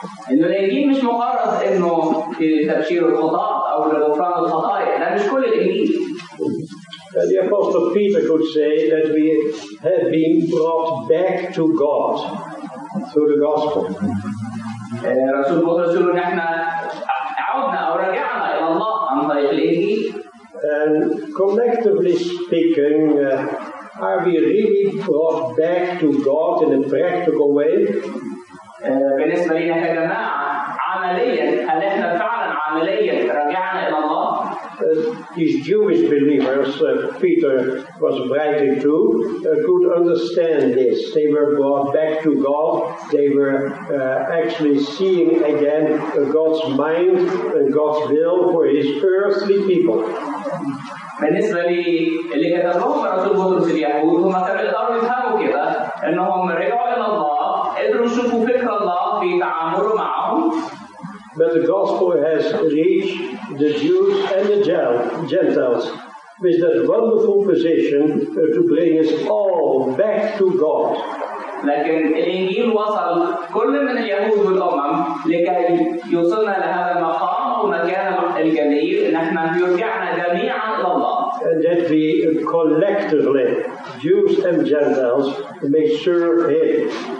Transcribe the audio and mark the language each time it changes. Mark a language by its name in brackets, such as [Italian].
[Arabic] إنه الإنجيل مش مقرص إنه تبشير الخطاة أو لغفران الخطايا، ده مش كل الإنجيل. [English] The Apostle Peter could say that we have been brought back to God through the gospel. [Arabic] رسول بطرس يقول نحن عودنا أو رجعنا إلى الله عن طريق الإنجيل. [English] And collectively speaking, are we really brought back to God in a practical way? [Arabic] بالنسبة لنا كجماعة عمليا هل احنا فعلا عمليا رجعنا إلى الله؟ [English] These Jewish believers, Peter was writing to, could understand this. They were brought back to God. They were actually seeing again God's mind and God's will for his earthly people. [Arabic] بالنسبة للي كتبهم رسول بطرس اليهود هم كانوا قدروا يفهموا كده انهم رجعوا الى الله قدروا يشوفوا فكر الله في تعامله معهم. [English] But the gospel has reached the Jews and the Gentiles with that wonderful position to bring us all back to God. [Arabic] لكن الإنجيل وصل كل من اليهود والأمم لكي يوصلنا لهذا المقام ومكان الجميل نحن يرجعنا جميعا إلى الله. [English] And that we collectively, Jews and Gentiles, may serve him.